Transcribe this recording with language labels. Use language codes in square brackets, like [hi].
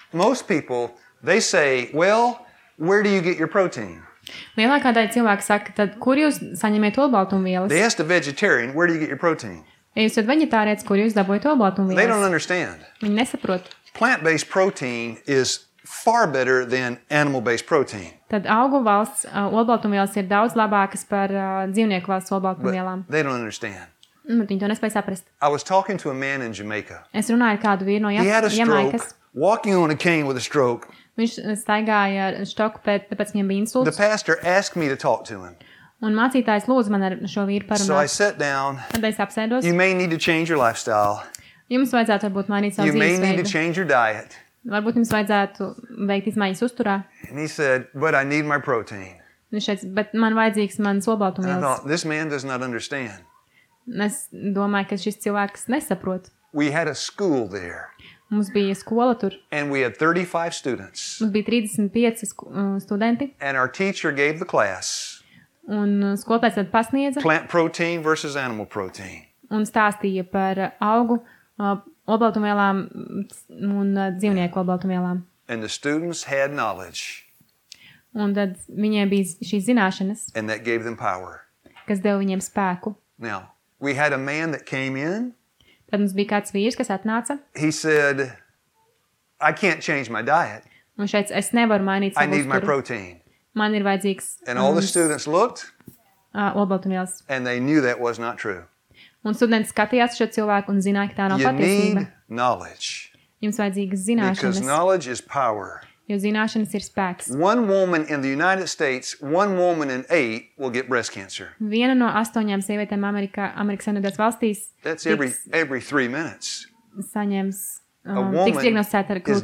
[en] most people, they say, well, where do you get your protein? [lv] Lielākā daļa cilvēku saka, tad kur jūs saņemiet olbaltumvielas? [en] They ask the vegetarian, where do you get your protein? [lv] Jūs tad veģetārietis, kur jūs dabūjat olbaltumvielas? [en] They don't understand. [lv] Viņi nesaprot. [en] Plant-based protein is far better than animal-based protein. [lv] Tad augu valsts olbaltumvielas ir daudz labākas par dzīvnieku valsts olbaltumvielām. [en] But they don't understand. [lv] Viņi to nespēja saprast. [en] I was talking to a man in Jamaica. [lv] Es runāju ar kādu vīru no Jamaikas. [en] Walking on a cane with a stroke. [lv] Viņš staigāja ar štoku, tāpēc viņam bija insults. [en] The pastor asked me to talk to him. [lv] Un mācītājs lūdza man ar šo vīru parunāt. [en] So I sat down. [lv] Tad es apsēdos. [en] You may need to change your lifestyle. [lv] Jums vajadzētu varbūt mainīt savu [en] dzīvesveidu. You may need to change your diet. [lv] Varbūt jums vajadzētu veikt izmaiņas uzturā. [en] And he said, but I need my protein. [lv] Viņš teica, bet man vajadzīgs mans olbaltumvielas. [en] And I thought, this man does not understand. [lv] Es domāju, ka šis cilvēks nesaprot. [en] We had a school there. [lv] Mums bija skola tur. [en] And we had 35 students. [lv] Mums bija 35 studenti. [en] And our teacher gave the class. [lv] Un skolotājs tad pasniedza. [en] Plant protein versus animal protein. [lv] Un stāstīja par augu olbaltumvielām un dzīvnieku olbaltumvielām. [en] And the students had knowledge. [lv] Un tad viņiem bija šīs zināšanas. [en] And that gave them power. [lv] Kas deva viņiem spēku. [en] Now, we had a man that came in. [lv] Tad mums bija kāds vīrs, kas atnāca. [en] He said, I can't change my diet. [lv] Viņš teica, es nevaru mainīt savu [en] uzturu. I need my protein. [lv] Man ir vajadzīgs. [en] And all the students looked. [lv] Olbaltumvielas. [en] And they knew that was not true. [lv] Un studenti skatījās šo cilvēku un zināja, ka tā nav [en] you [lv] patiesība. [en] You need knowledge. [lv] Jums vajadzīgs zināšanas. [en] Because knowledge is power. [lv] Jo zināšanas ir spēks. [en] One woman in the United States, one woman in eight will get breast cancer. [lv] Viena no astoņām sievietēm Amerikas Savienotās valstīs. [en] That's every 3 minutes. [lv] Saņems tiks diagnosticēta ar krūts vēzi.